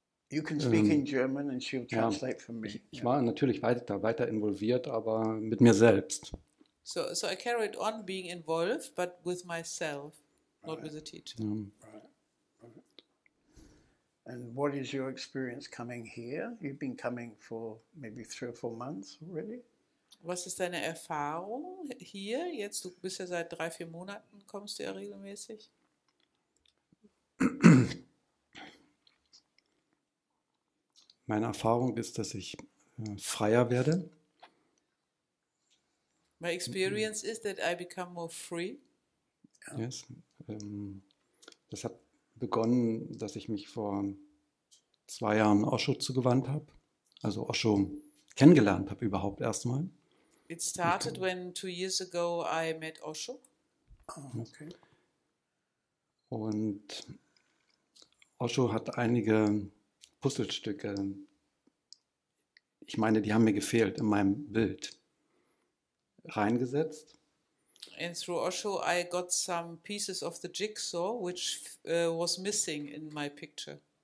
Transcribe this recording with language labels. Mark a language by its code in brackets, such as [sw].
[en] You can speak in German and she'll translate for me. [de] Ich war natürlich weiter involviert, aber mit mir selbst. [en] So I carried on being involved, but with myself, not with the teacher. Right. And what is your experience coming here? You've been coming for maybe 3 or 4 months already. [de] Was ist deine Erfahrung hier? Jetzt, du bist ja seit 3, 4 Monaten, kommst du ja regelmäßig. Meine Erfahrung ist, dass ich freier werde. [en] My experience is that I become more free. Yes. [de] Das hat begonnen, dass ich mich vor 2 Jahren Osho zugewandt habe. Also Osho kennengelernt habe überhaupt erstmal. [en] It started when 2 years ago I met Osho. Okay. [de] Und Osho hat einige Puzzlestücke, ich meine, die haben mir gefehlt in meinem Bild, reingesetzt. [en] And through Osho I got some pieces of the jigsaw, which was missing in my picture.